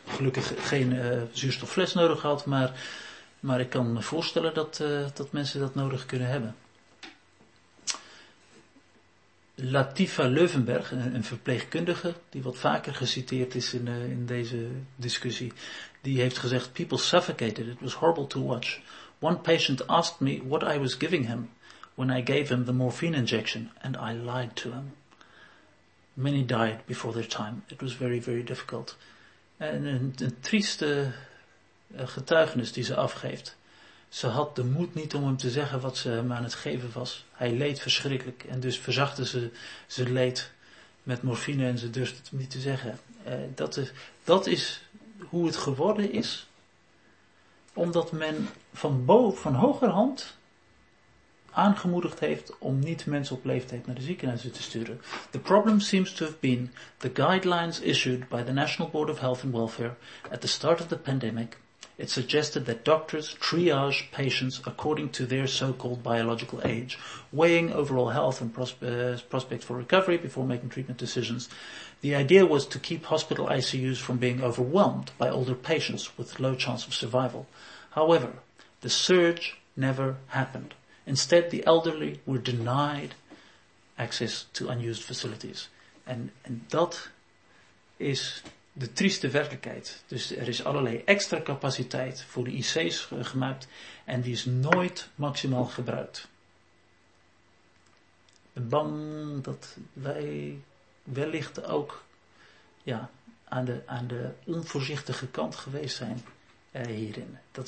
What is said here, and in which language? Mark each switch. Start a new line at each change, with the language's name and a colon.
Dutch: Gelukkig geen zuurstoffles nodig gehad, maar ik kan me voorstellen dat mensen dat nodig kunnen hebben. Latifa Leuvenberg, een verpleegkundige die wat vaker geciteerd is in deze discussie, die heeft gezegd:
English: "People suffocated. It was horrible to watch. One patient asked me what I was giving him when I gave him the morphine injection, and I lied to him. Many died before their time. It was very, very difficult."
Dutch: En een trieste getuigenis die ze afgeeft. Ze had de moed niet om hem te zeggen wat ze hem aan het geven was. Hij leed verschrikkelijk en dus verzachtte ze zijn leed met morfine en ze durfde het hem niet te zeggen. Dat is hoe het geworden is, omdat men van hogerhand aangemoedigd heeft om niet mensen op leeftijd naar de ziekenhuizen te sturen.
English: The problem seems to have been the guidelines issued by the National Board of Health and Welfare at the start of the pandemic. It suggested that doctors triage patients according to their so-called biological age, weighing overall health and prospect for recovery before making treatment decisions. The idea was to keep hospital ICUs from being overwhelmed by older patients with low chance of survival. However, the surge never happened. Instead, the elderly were denied access to unused facilities. And that is
Dutch: de trieste werkelijkheid. Dus er is allerlei extra capaciteit voor de IC's gemaakt en die is nooit maximaal gebruikt. Ik ben bang dat wij wellicht ook aan de onvoorzichtige kant geweest zijn hierin.